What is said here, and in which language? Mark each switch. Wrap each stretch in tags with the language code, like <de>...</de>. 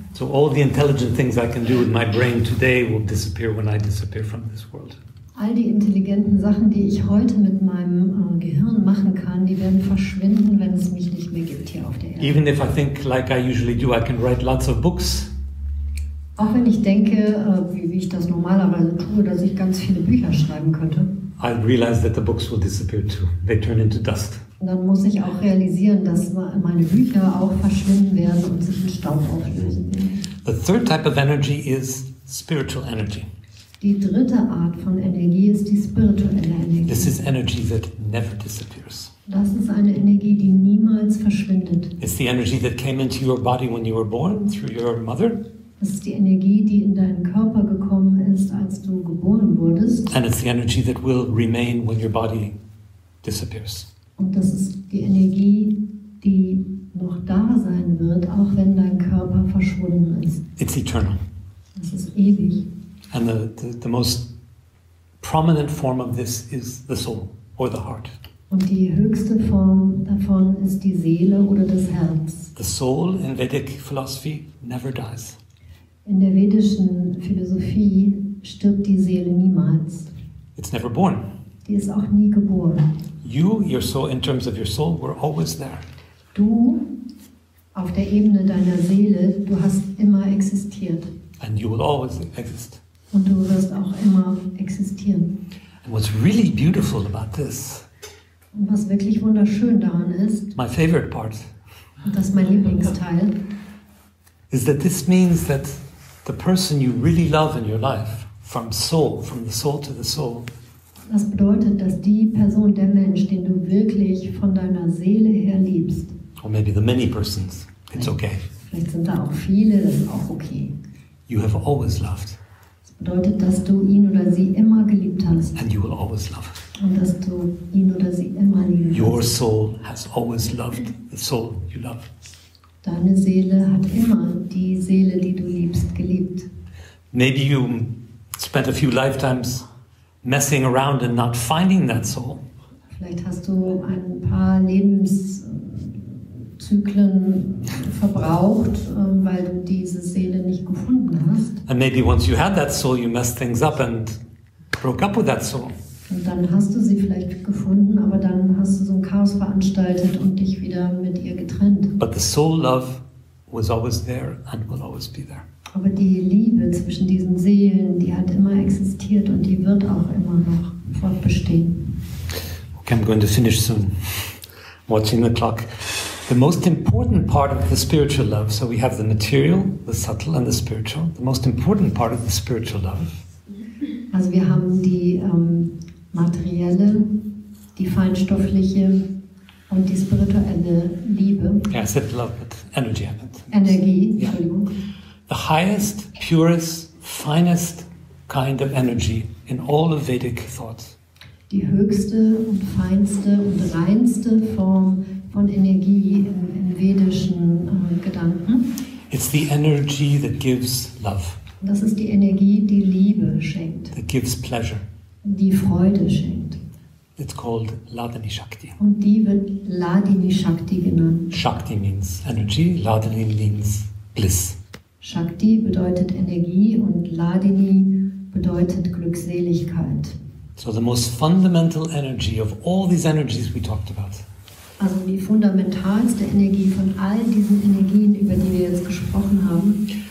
<en>So all the intelligent things I can do with my brain today will disappear when I disappear from this world.</en> <de>All die intelligenten Sachen, die ich heute mit meinem Gehirn machen kann, die werden verschwinden, wenn es mich nicht mehr gibt hier auf der Erde.</de> <en>Even if I think like I usually do, I can write lots of books.</en> <de>Auch wenn ich denke, wie ich das normalerweise tue, dass ich ganz viele Bücher schreiben könnte.</de> <en>I realize that the books will disappear too. They turn into dust.</en> <de>Und dann muss ich auch realisieren, dass meine Bücher auch verschwinden werden und sich in Staub auflösen.</de> <en>The third type of energy is spiritual energy.</en> <de>Die dritte Art von Energie ist die spirituelle Energie.</de> <en>This is energy that never disappears.</en> <de>Das ist eine Energie, die niemals verschwindet.</de> <en>It's the energy that came into your body when you were born through your mother.</en> <de>Das ist die Energie, die in deinen Körper gekommen ist, als du geboren wurdest.</de> <en>And it's the energy that will remain when your body disappears.</en> <de>Und das ist die Energie, die noch da sein wird, auch wenn dein Körper verschwunden ist.</de> <en>It's eternal.</en> <de>Das ist ewig.</de> <en>And the most prominent form of this is the soul or the heart.</en> <de>Und die höchste Form davon ist die Seele oder das Herz.</de> <en>The soul in Vedic philosophy never dies.</en> <de>In der vedischen Philosophie stirbt die Seele niemals.</de> <en>It's never born.</en> <de>Die ist auch nie geboren.</de> <en>You, your soul, in terms of your soul, were always there.</en> <de>Du, auf der Ebene deiner Seele, du hast immer existiert.</de> <en>And you will always exist.</en> <de>Und du wirst auch immer existieren.</de> <en>And what's really beautiful about this?</en> <de>Und was wirklich wunderschön daran ist?</de> <en>My favorite part.</en> <de>Und das ist mein Lieblingsteil.</de> <en>Is that this means that the person you really love in your life, from soul, from the soul to the soul.</en> <de>Das bedeutet, dass die Person, der Mensch, den du wirklich von deiner Seele her liebst.</de> <en>Or maybe the many persons. It's okay.</en> <de>Vielleicht sind da auch viele, das ist auch okay.</de> <en>You have always loved.</en> <de>Das bedeutet, dass du ihn oder sie immer geliebt hast.</de> <en>And you will always love.</en> <de>Und dass du ihn oder sie immer liebst.</de> <en>Your soul has always loved the soul you love.</en> <de>Deine Seele hat immer die Seele, die du liebst, geliebt.</de> <en>Maybe you spent a few lifetimes messing around and not finding that soul.</en> <de>Vielleicht hast du ein paar Lebenszyklen verbraucht, weil du diese Seele nicht gefunden hast.</de> <en>And maybe once you had that soul, you messed things up and broke up with that soul.</en> <de>Und dann hast du sie vielleicht gefunden, aber dann hast du so ein Chaos veranstaltet und dich wieder mit ihr getrennt.</de> <en>But the soul love was always there and will always be there.</en> <de>Aber die Liebe zwischen diesen Seelen, die hat immer existiert und die wird auch immer noch fortbestehen.</de> <en>Okay, I'm going to finish soon. Watching the clock. The most important part of the spiritual love, so we have the material, the subtle and the spiritual. The most important part of the spiritual love.</en> <de>Also wir haben die materielle, die feinstoffliche und die spirituelle Liebe.</de> <en>Yeah, I said love, but energy.</en> <de>Energie, Entschuldigung. Yeah.</de> <en>The highest, purest, finest kind of energy in all of Vedic thought.</en> <de>Die höchste und feinste und reinste Form von Energie im vedischen Gedanken.</de> <en>It's the energy that gives love.</en> <de>Das ist die Energie, die Liebe schenkt.</de> <en>That gives pleasure.</en> <de>Die Freude schenkt.</de> <en>It's called Ladini Shakti.</en> <de>Und die wird Ladini Shakti genannt.</de> <en>Shakti means energy, Ladini means bliss.</en> <de>Shakti bedeutet Energie und Ladini bedeutet Glückseligkeit.</de> <en>So the most fundamental energy of all these energies we talked about.</en> <de>Also die fundamentalste Energie von all diesen Energien, über die wir jetzt gesprochen haben,</de>